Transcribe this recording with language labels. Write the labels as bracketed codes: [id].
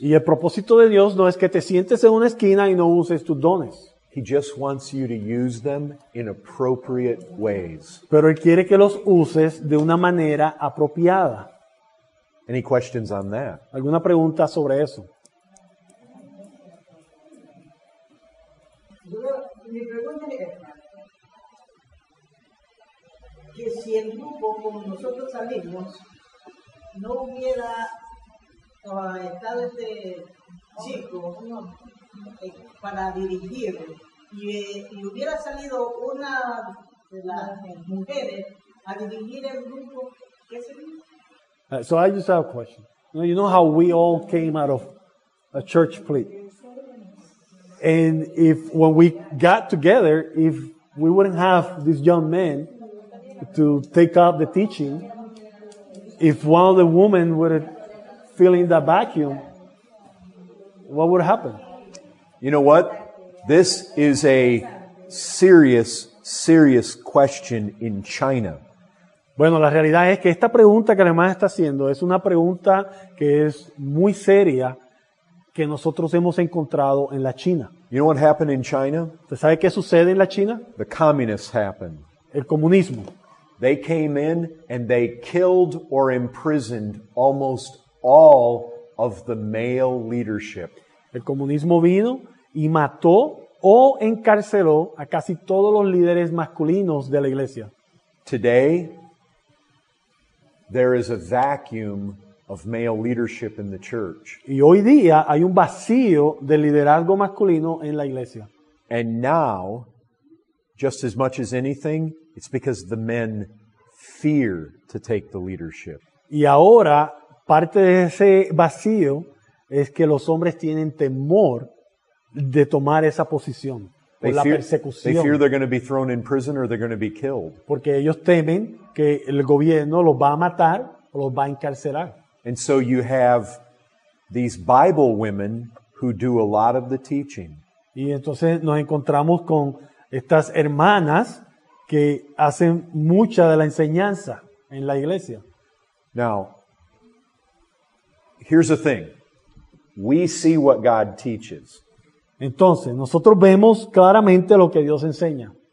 [es] Y el propósito de Dios no es que te sientes en una esquina y no uses tus dones. [en] He just wants you to use them in appropriate ways. [es] Pero él quiere que los uses de una manera apropiada. [en] Any questions on that? [es] ¿Alguna pregunta sobre eso? Mi pregunta es esta, que si el grupo como nosotros salimos no hubiera estado este chico para dirigir y hubiera salido una de las mujeres a dirigir el grupo, ¿qué sería? [en] So I just have a question. You know how we all came out of a church plate? And if when we got together, if we wouldn't have this young man to take up the teaching, if one of the women would fill in that vacuum, what would happen? You know what? This is a serious, serious question in China. [es] Bueno, la realidad es que esta pregunta que la hermana está haciendo es una pregunta que es muy seria que nosotros hemos encontrado en la China. [en] You know what happened in China? [es] ¿Usted sabe qué sucede en la China? [en] The communists happened. [es] El comunismo. [en] They came in and they killed or imprisoned almost all of the male leadership. [es] El comunismo vino y mató o encarceló a casi todos los líderes masculinos de la iglesia. [en] Today, there is a vacuum of male leadership in the church. [es] Y hoy día hay un vacío de liderazgo masculino en la iglesia. [en] And now, just as much as anything, it's because the men fear to take the leadership. [es] Y ahora, parte de ese vacío es que los hombres tienen temor de tomar esa posición por la persecución. [en] They fear they're going to be thrown in prison or they're going to be killed. [es] Porque ellos temen que el gobierno los va a matar o los va a encarcelar. [en] And so you have these Bible women who do a lot of the teaching. [es] Y entonces nos encontramos con estas hermanas que hacen mucha de la enseñanza en la iglesia. [en] Now, here's the thing. We see what God teaches. [es] Entonces, nosotros vemos claramente lo que Dios enseña.